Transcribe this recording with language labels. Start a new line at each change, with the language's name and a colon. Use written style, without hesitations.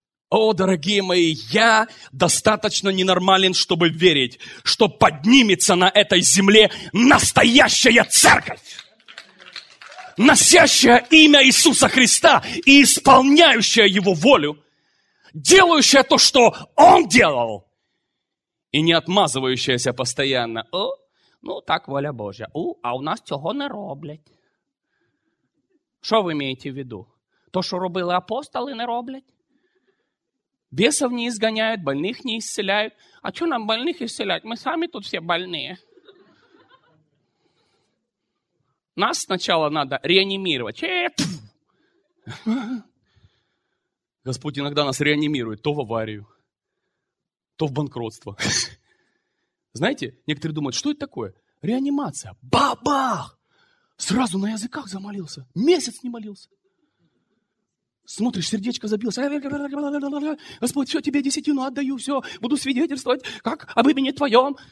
Russian: О, дорогие мои, я достаточно ненормален, чтобы верить, что поднимется на этой земле настоящая церковь, носящая имя Иисуса Христа и исполняющая Его волю, делающая то, что Он делал, и не отмазывающаяся постоянно. О, ну, так воля Божья.
Ukrainian: О, а у нас цього не роблять. Що ви маєте в виду? То, що робили апостоли, не роблять? Бісів не ізганяють, больних не ісцеляють. А чого нам больних ісцеляють? Ми самі тут всі больні. Нас спочатку треба реанімувати. Господь іноді нас реанімує то в аварію, то в банкротство. Знаєте, некоторі думають, що це таке? Реанімація. Ба-бах!
Russian: Сразу на языках замолился. Месяц не молился. Смотришь, сердечко забилось. Господь, все, тебе десятину отдаю, все. Буду свидетельствовать, как об имени твоем.